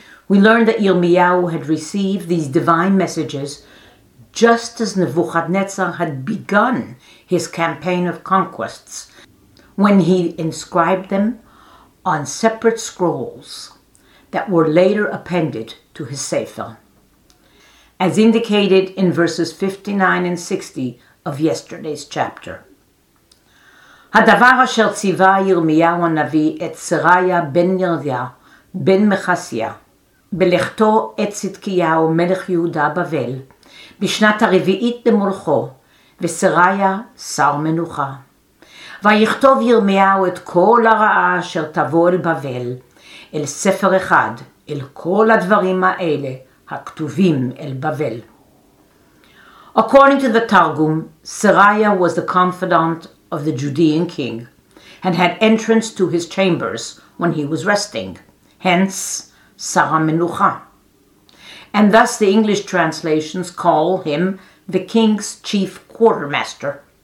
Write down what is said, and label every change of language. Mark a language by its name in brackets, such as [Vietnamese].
[English] We learned that Yirmiyahu had received these divine messages just as Nebuchadnezzar had begun his campaign of conquests when he inscribed them on separate scrolls that were later appended to his sefer. As indicated in verses 59 and 60 of yesterday's chapter. [Hebrew] Hadavar asher tziva Yirmiyahu navi et Seraya ben Yirdia ben Mechasya בלכתו את צדקיהו מלך יהודה בבל בשנת הרביעית למולכו וסריה שר מנוחה. ויכתוב ירמיהו את כל הרעה אשר תבוא אל בבל אל ספר אחד אל כל הדברים האלה הכתובים אל בבל. [English] According to the Targum, Seraya was the confidant of the Judean king and had entrance to his chambers when he was resting. Hence, Sara Menucha. And thus the English translations call him the king's chief quartermaster.